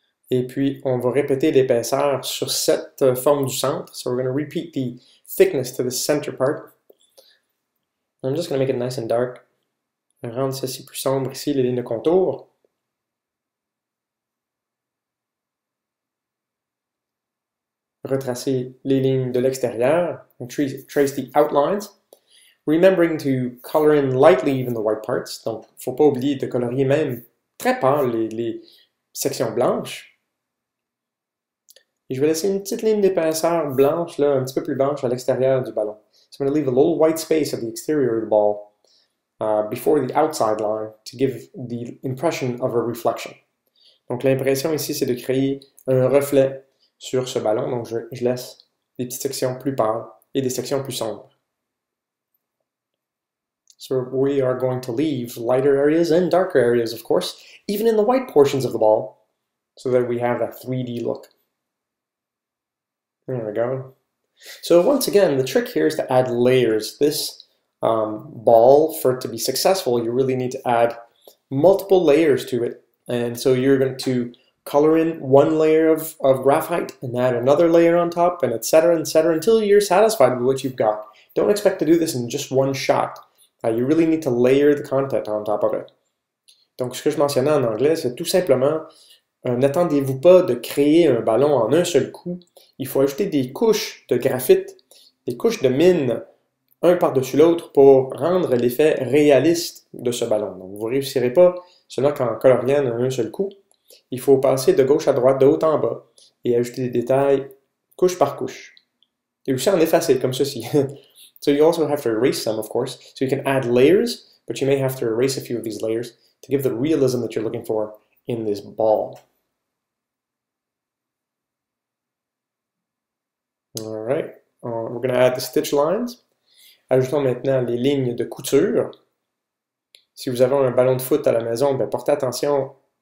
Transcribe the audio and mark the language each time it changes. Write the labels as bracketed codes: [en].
[fr] Et puis, on va répéter l'épaisseur sur cette forme du centre. [en] So we're going to repeat the thickness to the center part. I'm just going to make it nice and dark. [fr] Rendre ceci plus sombre ici, les lignes de contour. Retracer les lignes de l'extérieur. [en] Trace the outlines. Remembering to color in lightly even the white parts. [fr] Donc, il ne faut pas oublier de colorier même très pâle les sections blanches. Et je vais laisser une petite ligne d'épaisseur blanche, là, un petit peu plus blanche, à l'extérieur du ballon. [en] So I'm going to leave a little white space at the exterior of the ball before the outside line to give the impression of a reflection. [fr] Donc l'impression ici, c'est de créer un reflet sur ce ballon. Donc je laisse des petites sections plus pâles et des sections plus sombres. [en] So we are going to leave lighter areas and darker areas, of course, even in the white portions of the ball, so that we have a 3D look. There we go. So once again, the trick here is to add layers. This ball, for it to be successful, you really need to add multiple layers to it. And so you're going to color in one layer of graphite and add another layer on top and et cetera, until you're satisfied with what you've got. Don't expect to do this in just one shot. You really need to layer the content on top of it. [fr] Donc ce que je mentionnais en anglais, c'est tout simplement, n'attendez-vous pas de créer un ballon en un seul coup. Il faut ajouter des couches de graphite, des couches de mine, un par-dessus l'autre, pour rendre l'effet réaliste de ce ballon. Donc, vous ne réussirez pas seulement qu'en coloriant en un seul coup. Il faut passer de gauche à droite, de haut en bas, et ajouter des détails couche par couche. Et aussi en effacer, comme ceci. [en] So you also have to erase some, of course. So you can add layers, but you may have to erase a few of these layers to give the realism that you're looking for in this ball. All right, we're going to add the stitch lines. [fr] Ajoutons maintenant les lignes de couture. Si vous avez un ballon de foot à la maison, ben portez attention